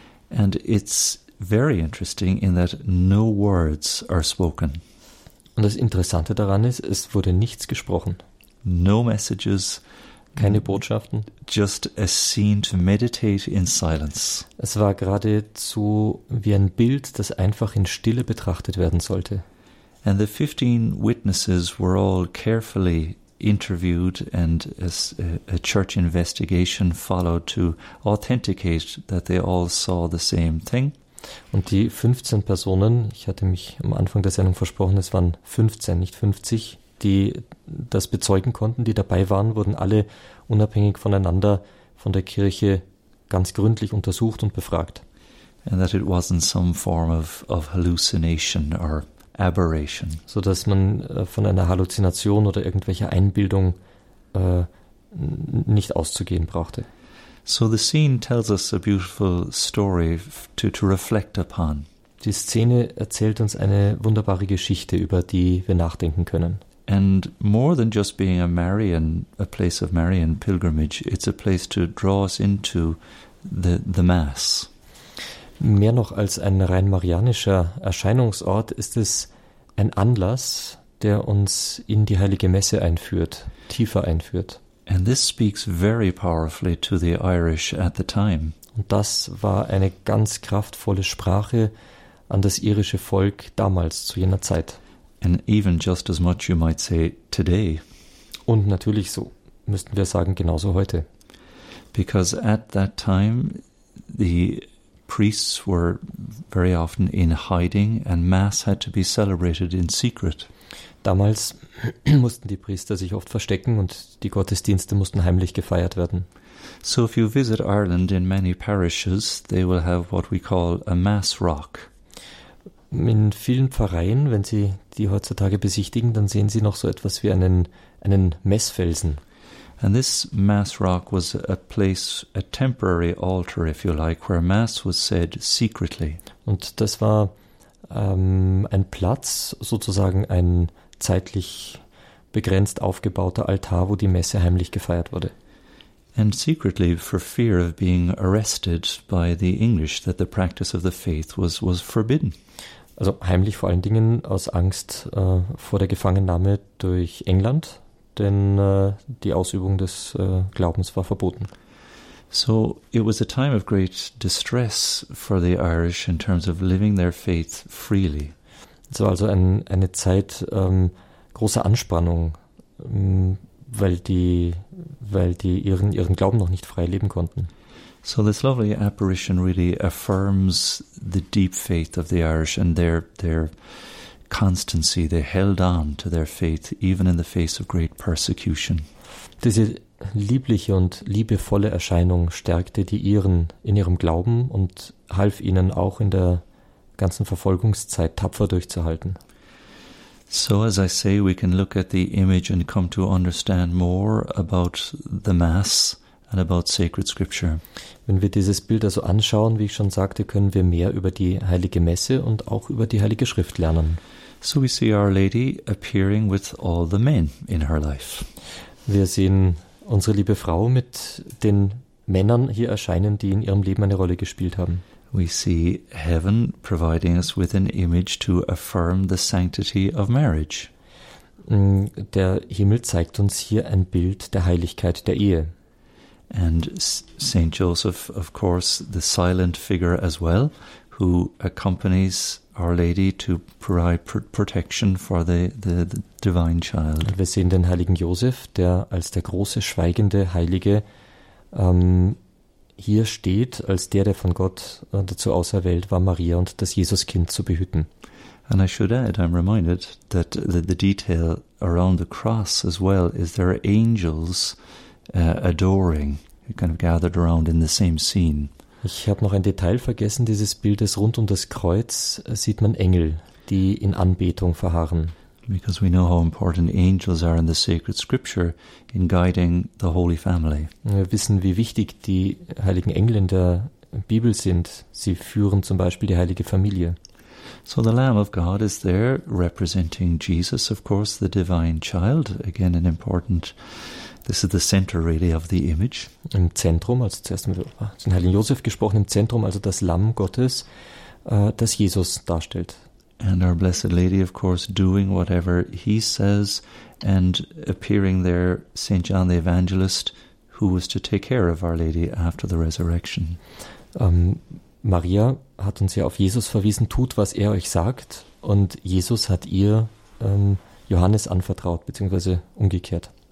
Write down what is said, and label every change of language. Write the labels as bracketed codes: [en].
[en] And it's very interesting in that no words are spoken. [de] Und das Interessante daran ist, es wurde nichts gesprochen. [en] No messages, [de] keine Botschaften. [en] Just a scene to meditate in silence. [de] Es war geradezu wie ein Bild, das einfach in Stille betrachtet werden sollte. [en] And the 15 witnesses were all carefully interviewed and a church investigation followed to authenticate that they all saw the same thing. [de] Und die 15 Personen, ich hatte mich am Anfang der Sendung versprochen, es waren 15, nicht 50, die das bezeugen konnten, die dabei waren, wurden alle unabhängig voneinander von der Kirche ganz gründlich untersucht und befragt. [en] And that it wasn't some form of hallucination or aberration. [de] So dass man von einer Halluzination oder irgendwelcher Einbildung nicht auszugehen brauchte. [en] So the scene tells us a beautiful story to reflect upon. [de] Die Szene erzählt uns eine wunderbare Geschichte, über die wir nachdenken können. [en] And more than just being a place of Marian pilgrimage, it's a place to draw us into the Mass. [de] Mehr noch als ein rein marianischer Erscheinungsort ist es ein Anlass, der uns in die heilige Messe einführt, tiefer einführt. [en] And this speaks very powerfully to the Irish at the time. [de] Und das war eine ganz kraftvolle Sprache an das irische Volk damals zu jener Zeit. [en] And even just as much you might say today. [de] Und natürlich so müssten wir sagen genauso heute. [en] Because at that time the priests were very often in hiding and Mass had to be celebrated in secret. [de] Damals mussten die Priester sich oft verstecken und die Gottesdienste mussten heimlich gefeiert werden. [en] So if you visit Ireland in many parishes, they will have what we call a Mass rock. [de] In vielen Pfarreien, wenn Sie die heutzutage besichtigen, dann sehen Sie noch so etwas wie einen Messfelsen. [en] And this Mass rock was a place, a temporary altar, if you like, where Mass was said secretly. [de] Und das war ein Platz, sozusagen ein zeitlich begrenzt aufgebauter Altar, wo die Messe heimlich gefeiert wurde. [en] And secretly for fear of being arrested by the English, that the practice of the faith was forbidden. [de] Also heimlich vor allen Dingen aus Angst vor der Gefangennahme durch England, denn die Ausübung des Glaubens war verboten. [en] So it was a time of great distress for the Irish in terms of living their faith freely. [de] Es war also eine Zeit großer Anspannung, weil die ihren Glauben noch nicht frei leben konnten. [en] So this lovely apparition really affirms the deep faith of the Irish and their constancy. They held on to their faith even in the face of great persecution. [de] Diese liebliche und liebevolle Erscheinung stärkte die Iren in ihrem Glauben und half ihnen auch in der ganzen Verfolgungszeit tapfer durchzuhalten. [en] So as I say, we can look at the image and come to understand more about the Mass and about sacred scripture. [de] Wenn wir dieses Bild also anschauen, wie ich schon sagte, können wir mehr über die heilige Messe und auch über die heilige Schrift lernen. [en] So we see Our Lady appearing with all the men in her life. [de] Wir sehen unsere liebe Frau mit den Männern hier erscheinen, die in ihrem Leben eine Rolle gespielt haben. [en] We see heaven providing us with an image to affirm the sanctity of marriage. [de] Der Himmel zeigt uns hier ein Bild der Heiligkeit der Ehe. [en] And Saint Joseph, of course, the silent figure as well, who accompanies Our Lady to provide protection for the divine child. [de] Wir sehen den heiligen Josef, der als der große schweigende Heilige hier steht, als der von Gott dazu auserwählt war, Maria und das Jesuskind zu behüten. [en] And I should add, I'm reminded that the detail around the cross as well is there are angels adoring, kind of gathered around in the same scene. [de] Ich habe noch ein Detail vergessen, dieses Bildes rund um das Kreuz sieht man Engel, die in Anbetung verharren. [en] Because we know how important angels are in the sacred scripture in guiding the Holy Family. [de] Wir wissen, wie wichtig die heiligen Engel in der Bibel sind. Sie führen zum Beispiel die heilige Familie. [en] So the Lamb of God is there representing Jesus, of course, the divine child. Again, an important, this is the center really of the image. [de] Im Zentrum, also zuerst haben wir den heiligen Josef gesprochen, im Zentrum, also das Lamm Gottes, das Jesus darstellt. [en] And our Blessed Lady, of course, doing whatever he says and appearing there, St. John the Evangelist, who was to take care of Our Lady after the resurrection. [de] Maria hat uns ja auf Jesus verwiesen, tut, was er euch sagt. Und Jesus hat ihr Johannes anvertraut, beziehungsweise umgekehrt.